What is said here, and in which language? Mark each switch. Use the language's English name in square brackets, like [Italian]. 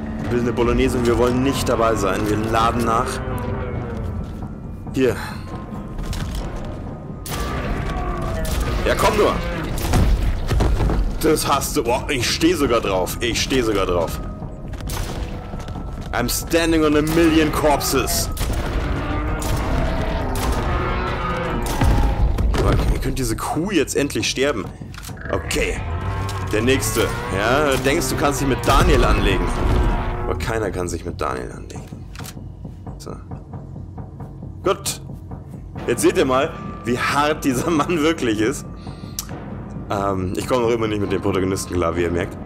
[German] Eine Bolognese und wir wollen nicht dabei sein. Wir laden nach. Hier. Ja, komm nur. Das hast du. Boah, ich stehe sogar drauf. Ich stehe sogar drauf. [English] I'm standing on a million corpses. [German] Ihr könnt diese Kuh jetzt endlich sterben. Okay. Der nächste. Ja, du denkst, du kannst dich mit Daniel anlegen. Aber keiner kann sich mit Daniel anlegen. So. Gut. Jetzt seht ihr mal, wie hart dieser Mann wirklich ist. Ich komme noch immer nicht mit dem Protagonisten klar, wie ihr merkt.